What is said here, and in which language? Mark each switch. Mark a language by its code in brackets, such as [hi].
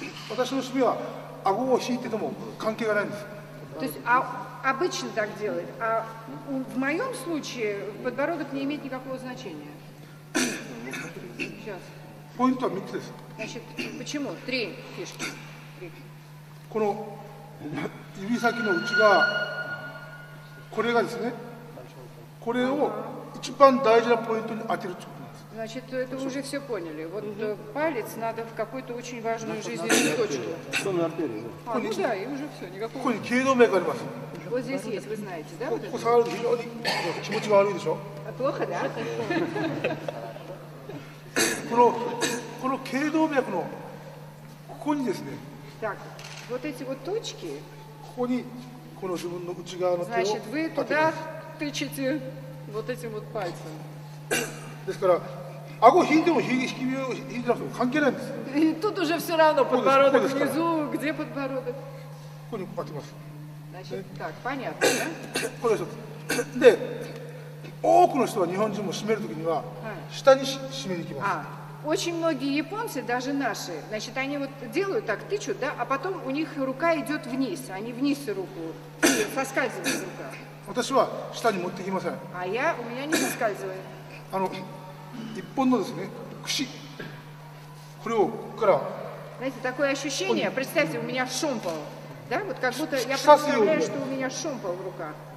[ja] 私の締めは顎を引いてても関係がないんです。 [ru] То есть обычно так делают, а в моем случае подбородок не имеет никакого значения. Сейчас. [ja] Поинт は3つです。 [ru] Значит, почему? Три фишки. [ja] この指先の内側、これがですね、これを一番大事なポイントに当てるってことなんです。 [ru] Значит, это уже все поняли. Вот палец надо в какую-то очень важную жизненную точку. Что на артерии? Ну да, и уже все, никакого. Вот здесь есть, вы знаете, да? Вот здесь есть, Вот здесь есть, вы знаете, да? Вот здесь есть, вы знаете, да? Вот здесь есть, вы знаете, да? Плохо, да? [ja] この頸動脈のここにですね。 [ru] Так, вот эти вот точки. [ja] ここにこの自分の内側の手を。 [ru] Значит, вы туда тычете вот этим вот пальцем. [ja] ですから、顎を引いても引いてなくても関係ないんです。 [ru] И тут уже все равно подбородок внизу, где подбородок. [ja] ここに当てます。 [ru] Значит, так, понятно, да? [ja] これで多くの人は日本人も締めるときには下に締めに行きます。 [ru] Очень многие японцы, даже наши, значит, они вот делают так, тычут, да, а потом у них рука идет вниз, они вниз руку, соскальзывает рука. А я, у меня не соскальзывает. Знаете, такое ощущение, представьте, у меня шомпол, да, вот как будто я представляю, что у меня шомпол в руках.